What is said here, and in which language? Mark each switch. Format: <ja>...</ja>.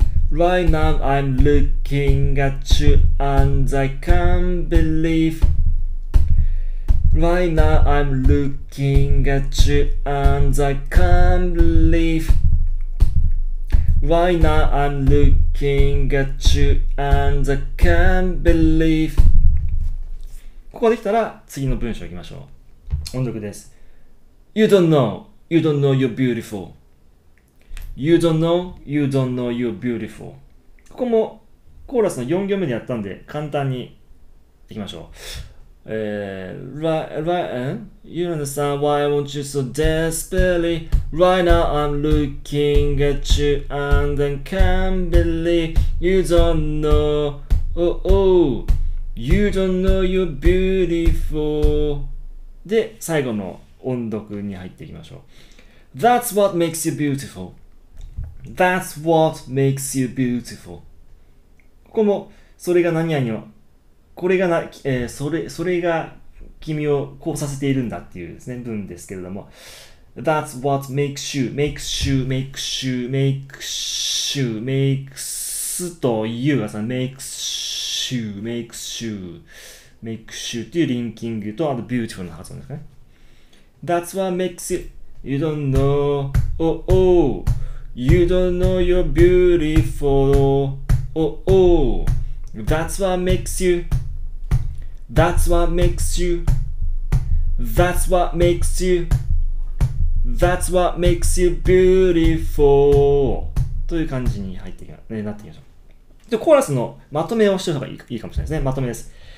<en>Right now I'm looking at you and I can't believe. Right now I'm looking at you and I can't believe. Right now I'm looking at you and I can't believe.</en> <ja>ここできたら次の文章いきましょう。音読です。</ja> <en>You don't know. You don't know you're beautiful. You don't know, you don't know you're beautiful.</en> <ja>ここもコーラスの4行目でやったんで簡単にいきましょう。</ja> <en>You understand why I want you so desperately? Right now I'm looking at you and then can't believe you don't know. Oh, oh, you don't know you're beautiful.</en> <ja>で、最後の音読に入っていきましょう。</ja> <en>That's what makes you beautiful. That's what makes you beautiful.</en> <ja>ここも、それが何やにを、これがな、それが君をこうさせているんだっていうですね、文ですけれども。</ja> <en>That's what makes you, makes you, makes you, makes you, makes you,</en> <ja>と you がさ、</ja> <en>makes you, makes you, makes you</en> <ja>っていうリンキングと、あと beautiful な発音ですかね。</ja> <en>That's what makes you, you don't know, oh, oh, you don't know you're beautiful, oh, oh, that's what makes you, that's what makes you, that's what makes you, that's what makes you beautiful,</en> <ja>という感じに入ってきま、なってきましょう。で、コーラスのまとめをしておいた方がいいかもしれないですね。まとめです。</ja>